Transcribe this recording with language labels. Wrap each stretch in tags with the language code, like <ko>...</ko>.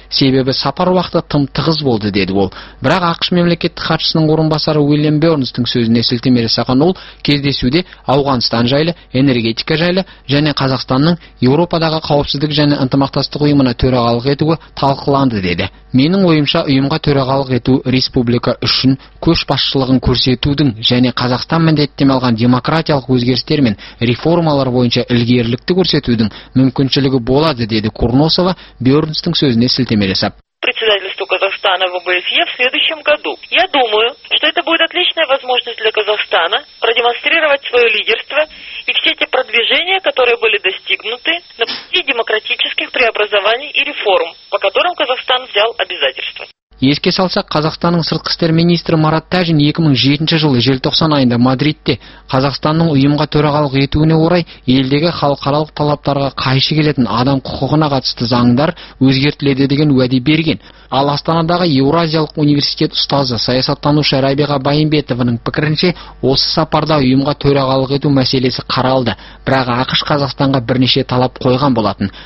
<kk>Себебі сапар уақыты тым тығыз болды, деді ол. Бірақ ақш мемлекеттік хатшысының орынбасары Уильям Бернстің сөзіне сілтеме жасаған ол, кездесуде Ауғанстан жайлы, энергетика жайлы және Қазақстанның Еуропадағы қауіпсіздік және ынтымақтастық ұйымына төрағалық етуі талқыланды, деді. Менің ойымша, ұйымға төрағалық ету республика үшін көшбасшылығын көрсетудің және Қазақстан міндеттеме алған демократиялық өзгерістер мен реформалар бойынша ілгерілікті көрсетудің мүмкіншілігі болады, деді Курносова Бернстің сөзіне сілтеме жасап.</kk> <ru>Председательство Казахстана в ОБСЕ в следующем году. Я думаю, что это будет отличная возможность для Казахстана продемонстрировать свое лидерство и все те продвижения, которые были достигнуты на пути демократических преобразований и реформ, по которым Казахстан взял обязательства.</ru> <kk>Еске салсақ, Қазақстанның сыртқы істер министрі Марат Тәжин 2007 жылы 90 айында Мадридте Қазақстанның ұйымға төрағалық етуіне орай елдегі халықаралық талаптарға қайшы келетін адам құқығына қатысты заңдар өзгертіледі деген уәде берген. Ал Астанадағы Еуразиялық университет ұстазы саясаттанушы Рабиға Байымбетованың пікірінше, осы сапарда ұйымға төрағалық ету мәселесі қаралды, бірақ ақш Қазақстанға бірнеше талап қойған болатын.</kk>